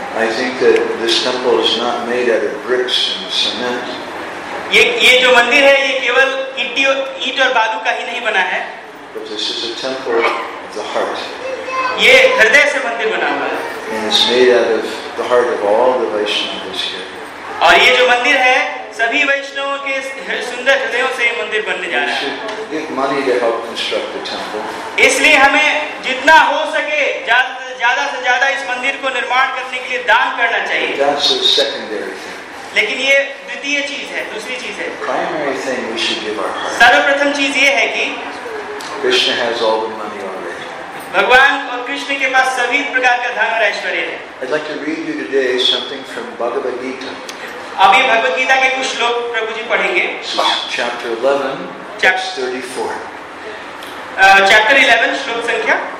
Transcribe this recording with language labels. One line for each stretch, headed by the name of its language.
English: I think that this temple is not made out of bricks and cement.
Hindi: ये जो मंदिर है ये केवल ईंट और बालू का ही नहीं बना है
English: But this is a temple of the heart.
Hindi: ये हृदय से मंदिर बना हुआ है
English: And it's made out of the heart of all the Vaishnavas here.
Hindi: और ये जो मंदिर है, सभी वैष्णवों के सुंदर हृदयों से ये मंदिर बनने जा रहा है।
English: Give money to help construct the temple.
Hindi: इसलिए हमें जितना हो सके ज्यादा से ज्यादा इस मंदिर को निर्माण करने के लिए दान करना चाहिए।
English: But that's a secondary thing.
Hindi: लेकिन ये द्वितीय चीज है, दूसरी चीज है।
English: Primary thing we should give our heart.
Hindi: सर्वप्रथम चीज ये है कि
English: Krishna has all the money already.
Hindi: भगवान और कृष्ण के पास सभी प्रकार का धन और ऐश्वर्य है।
English: I'd like to read you today something from Bhagavad Gita.
Hindi: अभी भगवद गीता के कुछ श्लोक प्रभु जी पढ़ेंगे।
English: Chapter 11, verse 34. Chapter 11,
Hindi: श्लोक संख्या